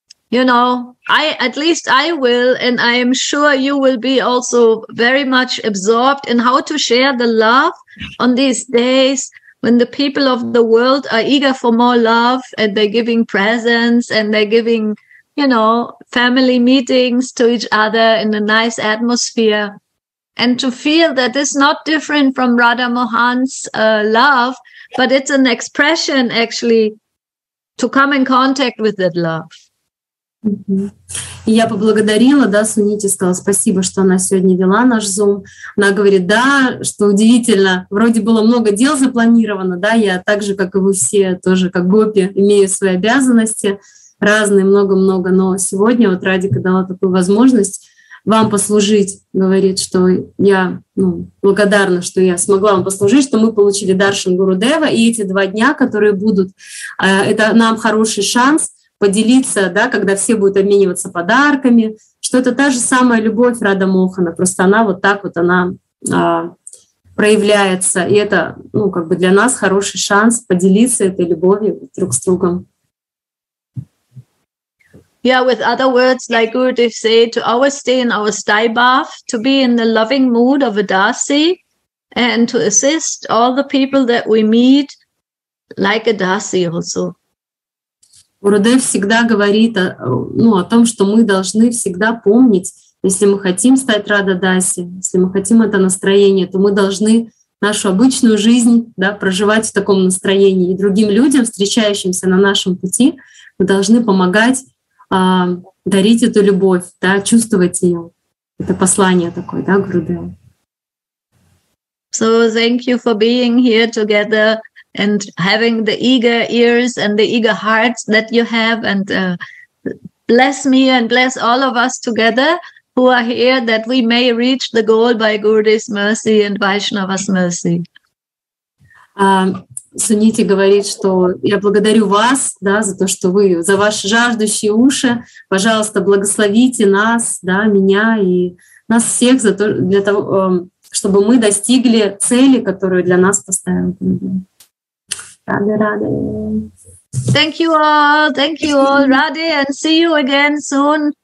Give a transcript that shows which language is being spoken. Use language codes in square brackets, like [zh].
[en] You know, I will, and I am sure you will be also very much absorbed in how to share the love on these days when the people of the world are eager for more love and they're giving presents and they're giving, you know, family meetings to each other in a nice atmosphere. And to feel that it's not different from Radha Mohan's love, but it's an expression actually to come in contact with that love. [ru] И я поблагодарила, да, Сунити сказала спасибо, что она сегодня вела наш Zoom. Она говорит, да, что удивительно, вроде было много дел запланировано, да, я так же, как и вы все, тоже как гопи, имею свои обязанности разные, много-много, но сегодня вот Радика дала такую возможность вам послужить, говорит, что я, ну, благодарна, что я смогла вам послужить, что мы получили даршан Гурудева, и эти 2 дня, которые будут, это нам хороший шанс поделиться, да, когда все будут обмениваться подарками, что это та же самая любовь Радха Мохана, просто она вот так вот она проявляется, и это, ну, как бы для нас хороший шанс поделиться этой любовью друг с другом. [en] Yeah, with other words, like Gurudev say, to always stay in our sthayi bhav, to be in the loving mood of a dasi, and to assist all the people that we meet like a dasi also. [ru] Гурудев всегда говорит, ну, о том, что мы должны всегда помнить, если мы хотим стать Радха Даси, если мы хотим это настроение, то мы должны нашу обычную жизнь, да, проживать в таком настроении. И другим людям, встречающимся на нашем пути, мы должны помогать дарить эту любовь, да, чувствовать ее. Это послание такое, да, Гурудев? [en] So thank you for being here together and having the eager ears and the eager hearts that you have, and bless me and bless all of us together who are here, that we may reach the goal by Gurudev's mercy and Vaishnava's mercy. [ru] Суніті говорить, что я благодарю вас, да, за то, что вы, за ваши жаждущие уши, пожалуйста, благословите нас, да, меня и нас всех за то, для того, чтобы мы достигли цели, которую для нас поставил. Рада. [en] Thank you all. Thank you all. Radha, and see you again soon.